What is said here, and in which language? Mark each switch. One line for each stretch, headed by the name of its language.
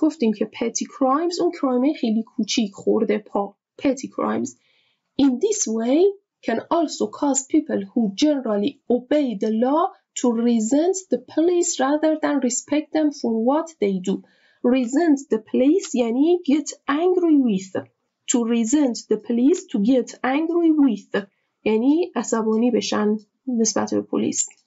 Persian: گفتیم که petty crimes اون کرایم خیلی کوچیک خورده پا.
English: Petty crimes. In this way can also cause people who generally obey the law to resent the police rather than respect them for what they do. Resent the police
Persian: یعنی
English: get angry with. To resent the police, to get angry with.
Persian: یعنی عصبانی بشن نسبت به پلیس.